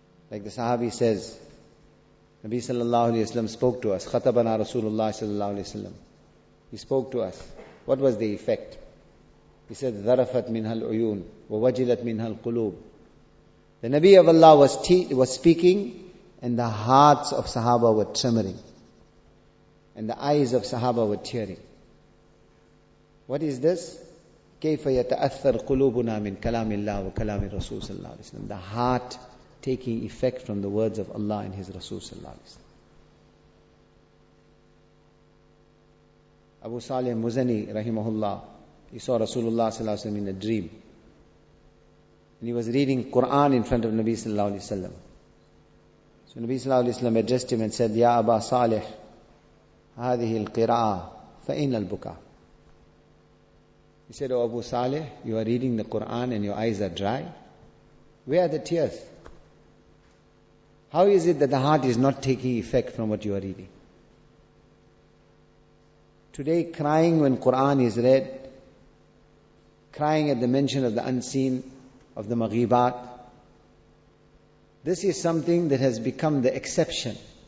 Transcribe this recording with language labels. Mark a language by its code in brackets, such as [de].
[en] Like the Sahabi says, Nabi sallallahu alayhi wa sallam spoke to us, [ar] Khatabana Rasulullah sallallahu alayhi wa sallam. [en] He spoke to us. What was the effect? He said, [ar] Zarafat minha al-uyun, wa wajilat minha al-qulub. [en] The Nabi of Allah was speaking and the hearts of Sahaba were trembling. And the eyes of Sahaba were tearing. What is this? [ar] كيف يتأثر قلوبنا من كلام الله وكلام الرسول صلى الله عليه وسلم. [en] The heart taking effect from the words of Allah and His Rasul صلى الله عليه وسلم. Abu Salih Muzani rahimahullah, he saw Rasulullah صلى الله عليه وسلم in a dream. And he was reading Quran in front of Nabi صلى الله عليه وسلم. So Nabi صلى الله عليه وسلم addressed him and said, [ar] يا أبا صالح هذه القراءة فإن البكاء. [en] He said, O Abu Salih, you are reading the Quran and your eyes are dry. Where are the tears? How is it that the heart is not taking effect from what you are reading? Today, crying when Quran is read, crying at the mention of the unseen, of the maghibat, this is something that has become the exception.